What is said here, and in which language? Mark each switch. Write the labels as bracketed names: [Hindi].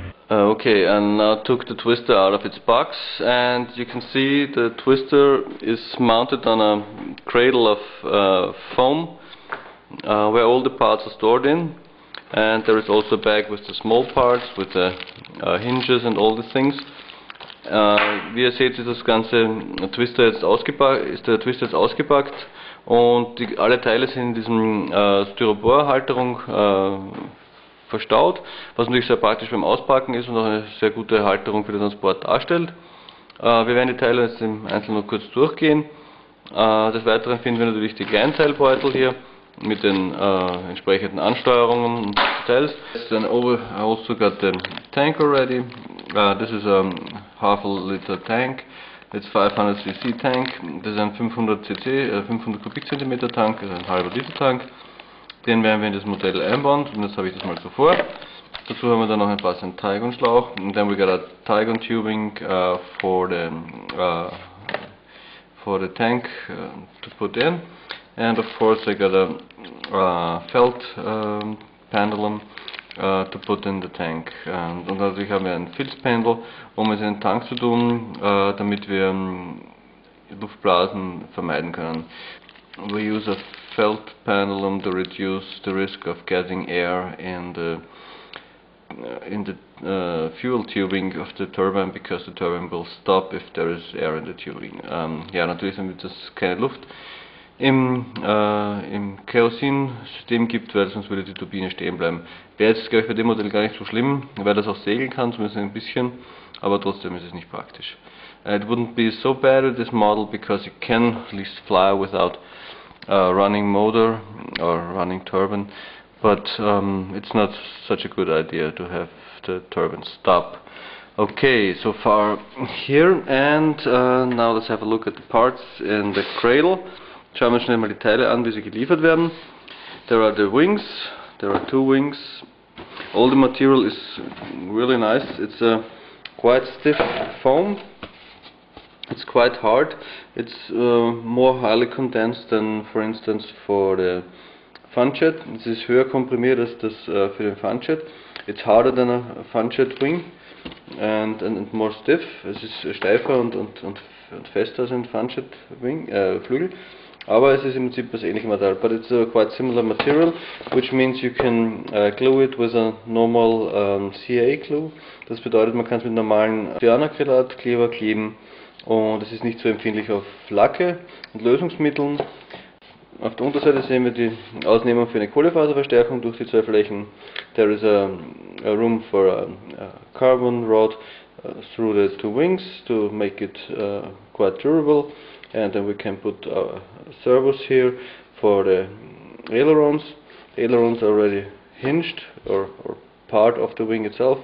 [English] Okay, and now took the twister out of its box, and you can see the twister is mounted on a cradle of foam where all the parts are stored in, and there is also a bag with the small parts with the hinges and all the things. [German] Wie ihr seht, ist das ganze Twister jetzt ausgepackt und alle Teile sind in diesem Styroporhalterung verstaut, was natürlich sehr praktisch beim Auspacken ist und auch eine sehr gute Halterung für den Transport darstellt. Wir werden die Teile jetzt im Einzelnen noch kurz durchgehen. Des Weiteren finden wir natürlich die Kleinteilbeutel hier mit den entsprechenden Ansteuerungen und Details. Dann oben also [English] got the tank already. This is a half a liter tank. It's 500cc tank. [German] Das ist ein 500 Kubikzentimeter Tank, also ein halber Liter Tank. Den werden wir in das Modell einbauen, zumindest habe ich das mal so vor. Dazu haben wir dann noch ein passenden Tigon-Schlauch. [English] And then we got a Tigon tubing for the tank to put in. And of course I got a felt pendulum to put in the tank. [German] Und natürlich haben wir ein Filzpendel, um es in den Tank zu tun, damit wir Luftblasen vermeiden können. [English] We use a felt pendulum to reduce the risk of getting air in the fuel tubing of the turbine, because the turbine will stop if there is air in the tubing. [German] Ja, natürlich, damit es keine Luft im Kerosinsystem gibt, weil sonst würde die Turbine stehen bleiben. Wäre jetzt, glaube ich, bei dem Modell gar nicht so schlimm, weil das auch segeln kann, zumindest ein bisschen, aber trotzdem ist es nicht praktisch. [English] It wouldn't be so bad with this model, because it can at least fly without running motor or running turbine, but it's not such a good idea to have the turbine stop. Okay, so far here, and now let's have a look at the parts in the cradle. [German] Schauen wir schnell mal die Teile an, wie sie geliefert werden. [English] There are the wings, there are two wings. All the material is really nice. It's a quite stiff foam. It's quite hard. It's more highly condensed than, for instance, for the funjet. [German] Es ist höher komprimiert als das für den funjet. [English] It's harder than a funjet wing and more stiff. [German] Es ist steifer und fester als ein funjet wing Flügel. Aber es ist im Prinzip das ähnliche Material. [English] But it's a quite similar material, which means you can glue it with a normal CA glue. [German] Das bedeutet, man kann es mit normalen Cyanacrylatkleber kleben. Und es ist nicht so empfindlich auf Lacke und Lösungsmitteln. Auf der Unterseite sehen wir die Ausnehmung für eine Kohlefaserverstärkung durch die zwei Flächen. [English] There is a room for a carbon rod through the two wings to make it quite durable. And then we can put our servos here for the ailerons. The ailerons are already hinged or part of the wing itself.